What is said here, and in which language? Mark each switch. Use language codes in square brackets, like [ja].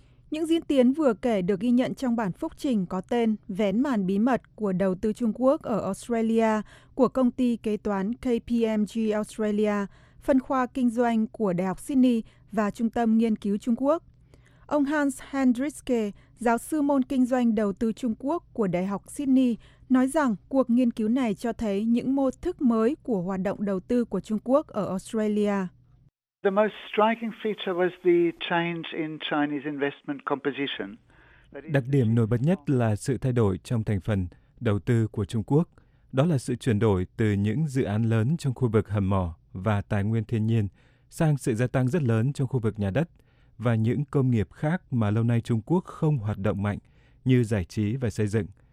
[vi] Những diễn tiến vừa kể được ghi nhận trong bản phúc trình có tên Vén màn bí mật của đầu tư Trung Quốc ở Australia của công ty kế toán KPMG Australia, phân khoa kinh doanh của Đại học Sydney và Trung tâm Nghiên cứu Trung Quốc. Ông Hans Hendrickse, giáo sư môn kinh doanh đầu tư Trung Quốc của Đại học Sydney, nói rằng cuộc nghiên cứu này cho thấy những mô thức mới của hoạt động đầu tư của Trung Quốc ở Australia. [en] The most striking feature was the change in Chinese investment composition. [vi] Đặc điểm nổi bật nhất là sự thay đổi trong thành phần đầu tư của Trung Quốc. Đó là sự chuyển đổi từ những dự án lớn trong khu vực hầm mỏ và tài nguyên thiên nhiên sang sự gia tăng rất lớn trong khu vực nhà đất và những công nghiệp khác mà lâu nay Trung Quốc không hoạt động mạnh như giải trí và xây dựng.